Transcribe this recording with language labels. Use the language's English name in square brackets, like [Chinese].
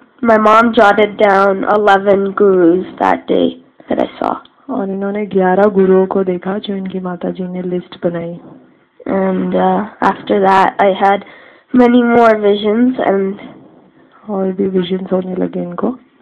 [English] My mom jotted down 11 gurus that day that I saw. [Hindi] और इन्होंने 11 गुरुओं को देखा जो इनकी माताजी ने लिस्ट बनाई. [English] And after that, I had many more visions and. [Hindi] और भी visions होने लगे इनको.